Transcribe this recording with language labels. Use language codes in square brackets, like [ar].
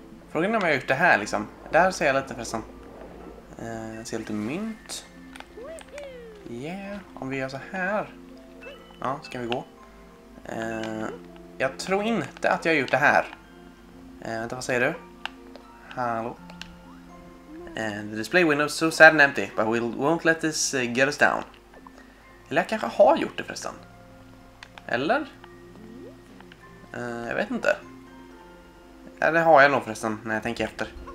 [sv] Frågan är om jag har gjort det här liksom. Där ser jag lite förresten. Ser lite mynt. Yeah, om vi gör så här. Ja, ska vi gå. Jag tror inte att jag har gjort det här. Vänta, vad säger du? Hallå? [en] The display window is so sad and empty, but we won't let this get us down. [sv] Eller jag kanske har gjort det förresten. Eller? Jag vet inte. Eller har jag nog förresten när jag tänker efter.